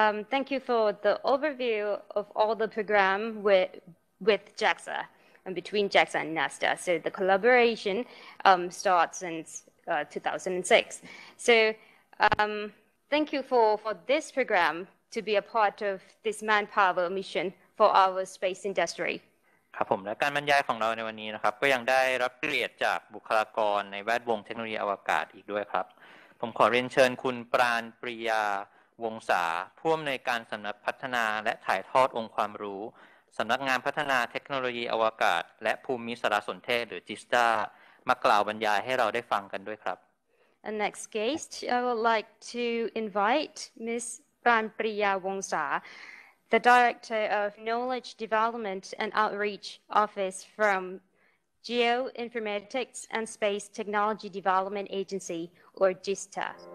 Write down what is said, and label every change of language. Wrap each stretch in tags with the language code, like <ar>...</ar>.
<en>Thank you for the overview of all the program with JAXA and between JAXA and NASA. So the collaboration starts since 2006. So thank you for this program to be a part of this manpower mission for our space industry.</en> <th>ครับผมและการบรรยายของเราในวันนี้นะครับก็ยังได้รับเกียรติจากบุคลากรในแวดวงเทคโนโลยีอวกาศอีกด้วยครับผมขอเรียนเชิญคุณปราณปรียาวงศาผู้อำนวยการสำนักพัฒนาและถ่ายทอดองค์ความรู้สำนักงานพัฒนาเทคโนโลยีอวกาศและภูมิสารสนเทศหรือ JISTA มากล่าวบรรยายให้เราได้ฟังกันด้วยครับ</th> <en>And next guest I would like to invite Ms. Pran Priya WongsaThe Director of Knowledge Development and Outreach Office from Geoinformatics and Space Technology Development Agency, or JISTA.</en>